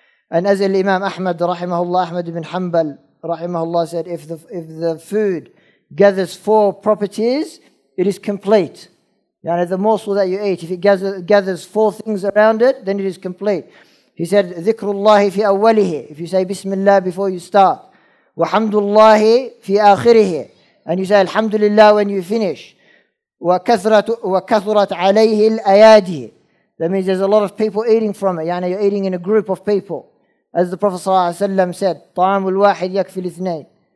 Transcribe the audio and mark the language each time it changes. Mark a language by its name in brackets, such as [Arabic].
[English] And as Imam Ahmad [Arabic] رحمه الله, [English] Ahmad ibn Hanbal رحمه الله said, if the food gathers four properties, it is complete. Yani the morsel that you eat, if it gathers four things around it, then it is complete. He said, [Arabic] ذكر الله في أوله. [English] If you say [Arabic] بسم الله [English] before you start, [Arabic] وحمد الله في آخره. [English] And you say [Arabic] الحمد لله [English] when you finish. [Arabic] وكثرت عليه الأيادي. [English] That means there's a lot of people eating from it. Yani you're eating in a group of people. As the Prophet said, [Arabic] طعام الواحد يكفي الاثنين.